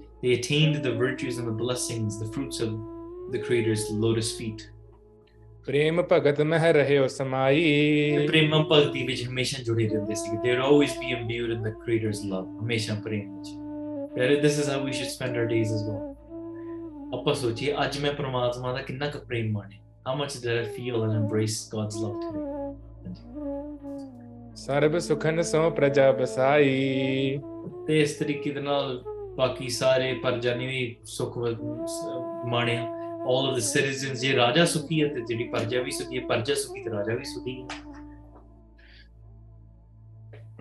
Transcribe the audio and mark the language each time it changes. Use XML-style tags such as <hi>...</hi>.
<en>They attained the virtues and the blessings, the fruits of the creator's lotus feet.</en> <pa>ਪ੍ਰੇਮ ਭਗਤ ਮਹਿ ਰਹਿਓ ਸਮਾਈ. ਪ੍ਰੇਮਮ ਭਗਤੀ ਵਿੱਚ ਹਮੇਸ਼ਾ ਜੁੜੇ ਰਹਿੰਦੇ ਸੀ.</pa> <en>they are always be imbued in the creator's love,</en> <pa>ਹਮੇਸ਼ਾ ਪ੍ਰੇਮ ਵਿੱਚ.</pa> <en>ਬੈਰੇ this is how we should spend our days as well.</en> <pa>ਆਪਾਂ ਸੋਚੀਏ ਅੱਜ ਮੈਂ ਪਰਮਾਤਮਾ ਦਾ ਕਿੰਨਾ ਕੁ ਪ੍ਰੇਮ ਮਾਣਿਆ,</pa> <en>How much did I feel and embrace God's love today?</en> <pa>ਸਰਬ ਸੁਖਨ ਸੋ ਪ੍ਰਜਾ ਬਸਾਈ ਤੇ ਇਸ ਤਰੀਕੇ ਦੇ ਨਾਲ ਬਾਕੀ ਸਾਰੇ ਪਰਜਾਨੀ ਵੀ ਸੁਖ ਮਾਣਿਆ</pa> <en>all of the citizens</en> <pa>ਜੇ ਰਾਜਾ ਸੁਖੀ ਹੈ ਤੇ ਜਿਹੜੀ ਪਰਜਾ ਵੀ ਸੁਖੀ ਹੈ ਪਰਜਾ ਸੁਖੀ ਤੇ ਰਾਜਾ ਵੀ ਸੁਖੀ ਹੈ</pa>